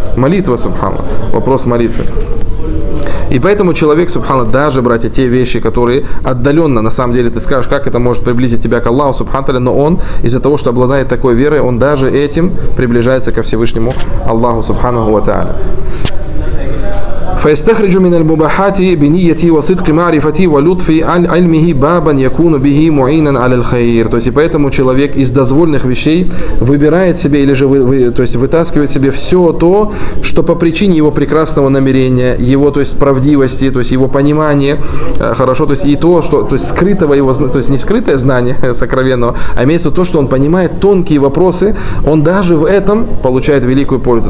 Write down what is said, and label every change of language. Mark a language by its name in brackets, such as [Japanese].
[Russian] Молитва, субхана, вопрос молитвы. И поэтому человек, субхана, даже, братья, те вещи, которые отдаленно, на самом деле, ты скажешь, как это может приблизить тебя к Аллаху, субхана, но он, из-за того, что обладает такой верой, он даже этим приближается ко Всевышнему Аллаху, субханаху ва тааля. [Arabic] فيستخرج من المباحات بنيتي وصدق معرفتي ولطفي علمه بابا يكون به معينا على الخير. [Russian] То есть поэтому человек из дозволенных вещей выбирает себе или же вытаскивает себе все то, что по причине его прекрасного намерения, его, то есть, правдивости, то есть его понимания, хорошо, то есть и то, что, то есть скрытого его, то есть не скрытое знание сокровенного, а имеется то, что он понимает тонкие вопросы, он даже в этом получает великую пользу.